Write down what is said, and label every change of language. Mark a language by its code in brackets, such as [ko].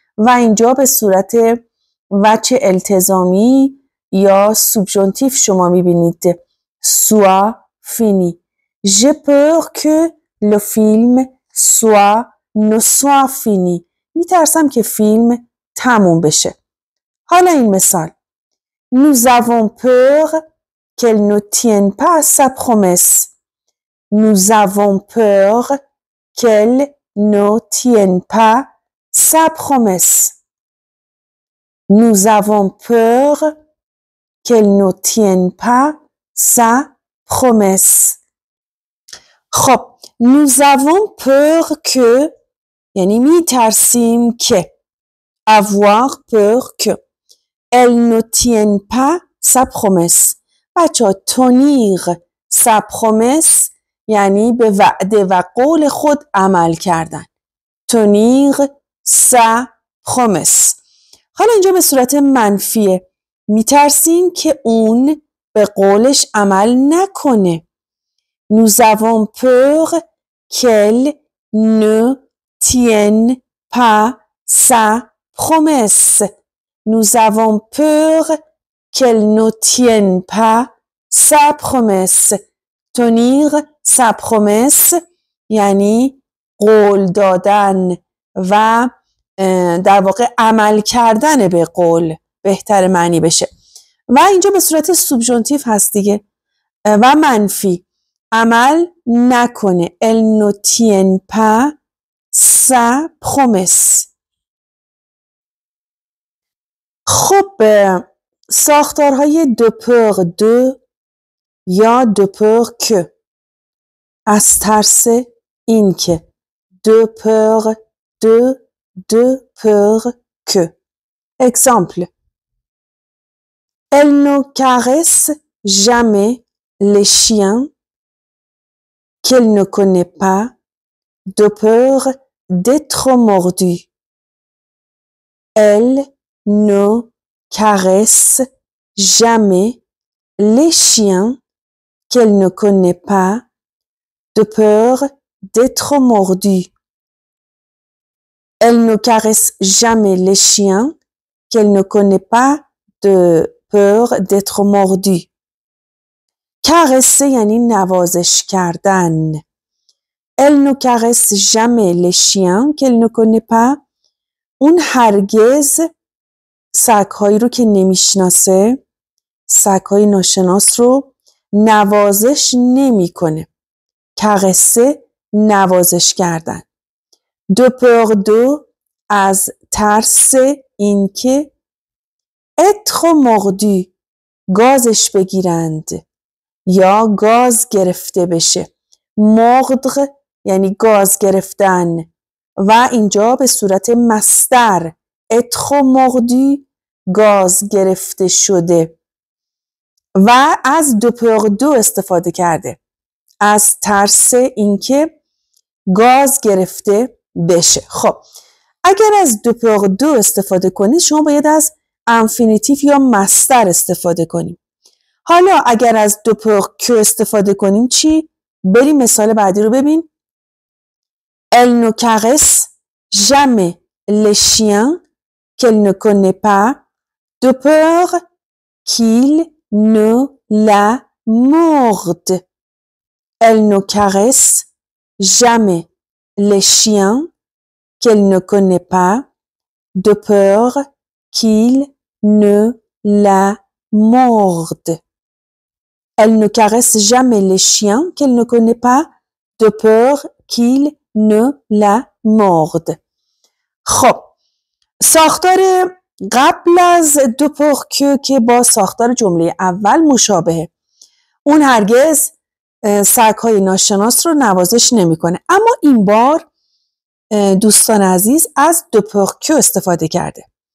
[fa] و اینجا به صورت وجه التزامی یا سوبژونتیف شما میبینید. [fr] سوا فینی. جه پر که لو فیلم سوا نو سوا فینی. [fa] میترسم که فیلم تموم بشه. حالا این مثال. [fr] Nous avons peur qu'elle ne tienne pas sa promesse. Nous avons peur qu'elle ne tienne pas sa promesse. Nous avons peur qu'elle ne tienne pas sa promesse. [fa] خب، [fr] nous avons peur que [fa] یعنی میترسیم که. [fr] Avoir peur que. Elle ne tienne pas sa promesse. [fa] بچه ها تنیر sa promesse یعنی به وعده و قول خود عمل کردن. [fr] تنیر sa promesse. [fa] حالا اینجا به صورت منفیه. میترسیم که اون به قولش عمل نکنه. [fr] Nous avons peur qu'elle ne tienne pas sa promesse. Nous avons peur qu'elle ne tienne pas sa promesse. Tenir sa promesse, [fa] یعنی قول دادن و در واقع عمل کردن به قول بهتر معنی بشه. و اینجا به صورت سوبژونتیو هست دیگه. و منفی، عمل نکنه. [fr] Elle ne tient pas sa promesse. [fa] خب، ساختارهای دو پور دو یا دو پور که، از ترس این که، دو پور دو، دو پور که. [fr] اکسامپل، Elle ne caresse jamais les chiens qu'elle ne connaît pas de peur d'être mordue. Elle ne caresse jamais les chiens qu'elle ne connaît pas de peur d'être mordue. Elle ne caresse jamais les chiens qu'elle ne connaît pas de peur d'être mordue. [fa] Caresser, یعنی نوازش کردن. [fr] Elle ne caresse jamais les chiens qu'elle ne connaît pas. [fa] اون هرگز سگ‌هایی رو که نمی‌شناسه، سگ‌های ناشناس رو نوازش نمی‌کنه. Caresser, نوازش کردن. [fr] De peur de, [fa] از ترس اینکه être mordu, گازش بگیرند. یا گاز گرفته بشه. مردغ یعنی گاز گرفتن و اینجا به صورت مصدر اتخو مردی گاز گرفته شده و از دو پور دو استفاده کرده از ترس اینکه گاز گرفته بشه. خب اگر از دو پور دو استفاده کنید شما باید از انفینیتیف یا مصدر استفاده کنید. حالا اگر از دو پور کو استفاده کنیم چی؟ بریم مثال بعدی رو ببین. [fr] Elle ne caresse jamais les chiens qu'elle ne connaît pas de peur qu'il ne la morde. Elle ne caresse jamais les chiens qu'elle ne connaît pas de peur qu'il ne la morde. Elle ne caresse jamais les chiens qu'elle ne connaît pas de peur qu'il ne la morde. [fa] خب ساختار قبل از دو پور کو که با ساختار جمله اول مشابهه. اون هرگز سگ‌های ناشناس رو نوازش نمی‌کنه. اما این بار دوستان عزیز از دو پور کو استفاده کرده.